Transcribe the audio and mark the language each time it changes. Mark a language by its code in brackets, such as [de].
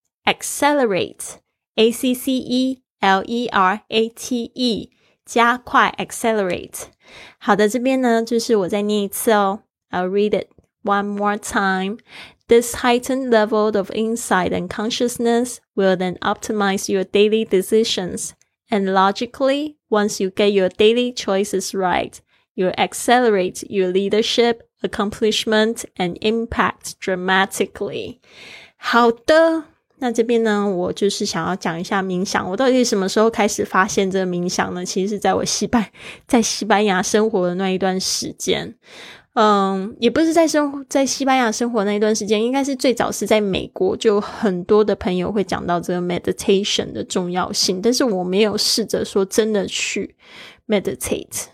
[zh] Accelerate, A-C-C-E-L-E-R-A-T-E, 加快 accelerate. 好的，这边呢，就是我再念一次哦。 [en] I'll read it one more time. This heightened level of insight and consciousness will then optimize your daily decisions. And logically, once you get your daily choices right, you'll accelerate your leadership, accomplishment, and impact dramatically. [zh] 好的，那这边呢，我就是想要讲一下冥想。我到底什么时候开始发现这个冥想呢？其实是在西班牙生活的那一段时间。也不是在西班牙生活那一段时间，应该是最早是在美国，就很多的朋友会讲到这个 meditation 的重要性，但是我没有试着说真的去 meditate。